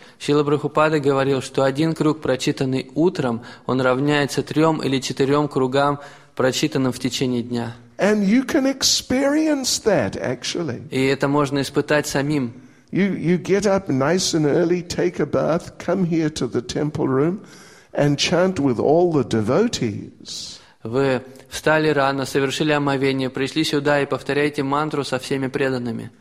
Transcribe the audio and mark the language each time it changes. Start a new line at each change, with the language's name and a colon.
Russian: Шрила Прабхупада говорил, что один круг, прочитанный утром, он равняется трем или четырем кругам, прочитанным в течение дня.
English: And you can experience that actually.
Russian: И это можно испытать самим.
English: You get up nice and early, take a bath, come here to the temple room, and chant with all the devotees.
Russian: Вы встали рано, совершили омовение, пришли сюда и повторяете мантру со всеми преданными.